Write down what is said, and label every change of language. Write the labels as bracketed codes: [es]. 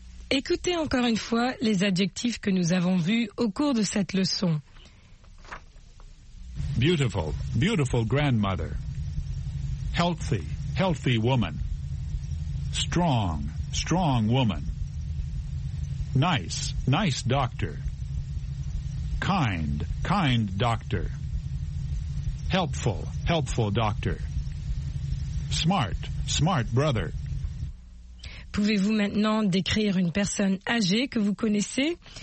[fr] Écoutez encore une fois les adjectifs que nous avons vus au cours de cette leçon. [en] Beautiful, beautiful grandmother. Healthy, healthy woman. Strong, strong woman. Nice, nice doctor. Kind, kind doctor. Helpful, helpful doctor. Smart, smart brother. [fr] Pouvez-vous maintenant décrire une personne âgée que vous connaissez?